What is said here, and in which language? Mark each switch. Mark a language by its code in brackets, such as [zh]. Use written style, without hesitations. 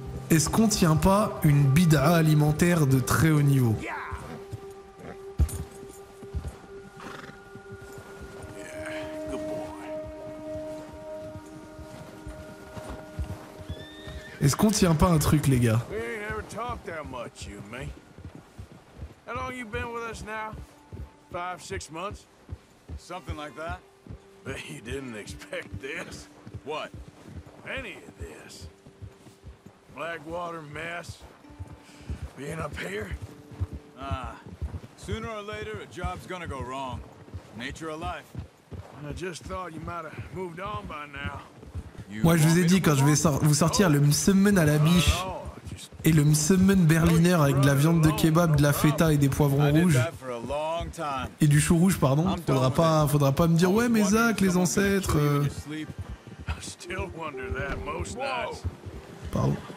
[fr] Est-ce qu'on tient pas une bid'a alimentaire de très haut niveau? Est-ce qu'on tient pas un truc, les gars? [en] We ain't never talked that much, you and me. How long you been with us now? 5-6 months? Something like that? But you didn't expect this. What? Any of this? Blackwater mess? Being up here? Sooner or later, a job's gonna go wrong. Nature of life. And I just thought you might have moved on by now. [fr] Moi, je vous ai dit, quand je vais vous sortir le msemen à la biche et le msemen berliner avec de la viande de kebab, de la feta et des poivrons rouges et du chou rouge, pardon, faudra pas me dire « Ouais, mais Zach, les ancêtres... » Pardon.